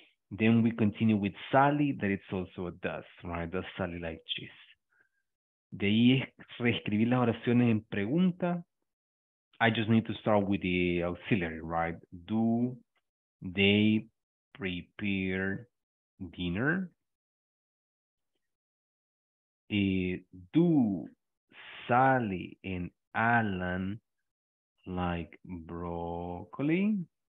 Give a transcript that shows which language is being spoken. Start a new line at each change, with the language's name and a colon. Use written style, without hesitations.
English: Then we continue with Sally, that it's also a does, right? Does Sally like cheese?
Spanish: De ahí es reescribir las oraciones en pregunta.
English: I just need to start with the auxiliary, right? Do they prepare dinner? Do Sally and Alan like broccoli?